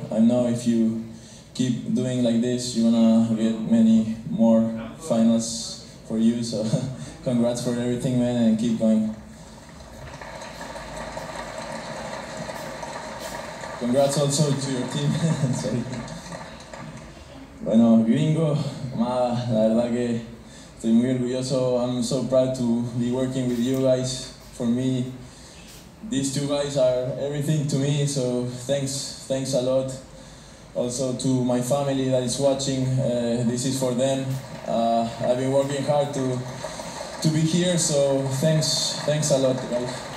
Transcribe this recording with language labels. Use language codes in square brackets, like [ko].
[en] I know if you keep doing like this, you're gonna get many more finals for you, so congrats for everything, man, and keep going. Congrats also to your team, sorry. [es] Bueno, gringo, ma, la verdad que estoy muy orgulloso. [en] I'm so proud to be working with you guys. For me, these two guys are everything to me, so thanks a lot. Also to my family that is watching, this is for them. I've been working hard to be here, so thanks a lot, guys.